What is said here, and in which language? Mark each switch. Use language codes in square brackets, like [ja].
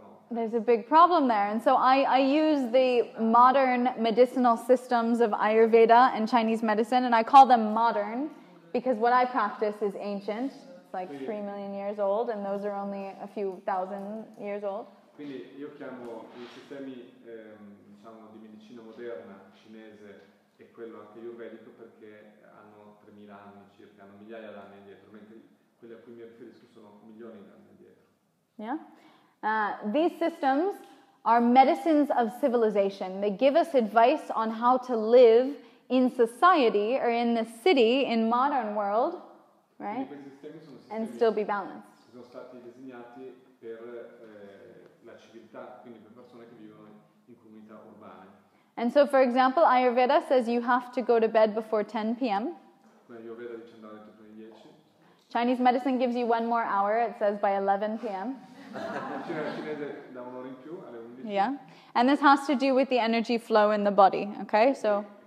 [en] There's a big problem there. And so I use the modern medicinal systems of Ayurveda and Chinese medicine, and I call them modern because what I practice is ancient. Like 3 million years old, and those are only a few thousand years old. [it] Quindi io chiamo I sistemi diciamo di medicina moderna cinese e quello anche ayurvedico perché hanno 3000 anni circa, hanno migliaia d'anni indietro, mentre quelli a cui mi riferisco sono milioni di anni indietro. [en] Yeah, these systems are medicines of civilization. They give us advice on how to live in society or in the city in modern world. Right? And still be balanced. [it] Sono stati designati per la civiltà, quindi per persone che vivono in comunità urbane. [en] And so, for example, Ayurveda says you have to go to bed before 10 p.m. [it] Ayurveda dice andare a letto prima di 10. [en] Chinese medicine gives you one more hour. It says by 11 p.m. [it] Cinese da un'ora in più alle 11. [en] Yeah, and this has to do with the energy flow in the body. Okay, so.